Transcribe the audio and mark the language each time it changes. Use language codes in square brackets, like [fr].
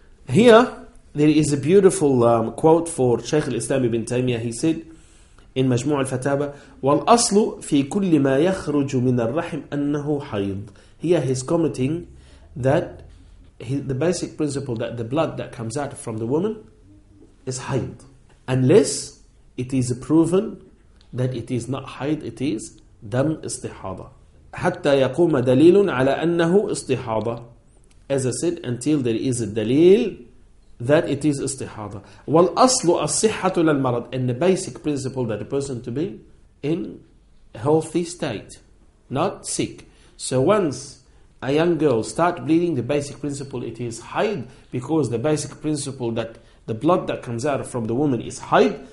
[en] Here, there is a beautiful quote for Shaykh al-Islam ibn Taymiyyah. He said, in [ar] مجموع الفتاوى والأصل في كل ما يخرج من الرحم أنه حيض. [en] Here he's commenting that the basic principle that the blood that comes out from the woman is حيض, unless it is proven that it is not حيض, it is دم استحاضة. [ar] حتى يقوم دليل على أنه استحاضة. [en] As I said, until there is a دليل that it is istihada. [ar] Wal aslu as-sihhatu lil marad, [en] and the basic principle that a person to be in healthy state, not sick. So once a young girl start bleeding, the basic principle it is hayd, because the basic principle that the blood that comes out from the woman is hayd.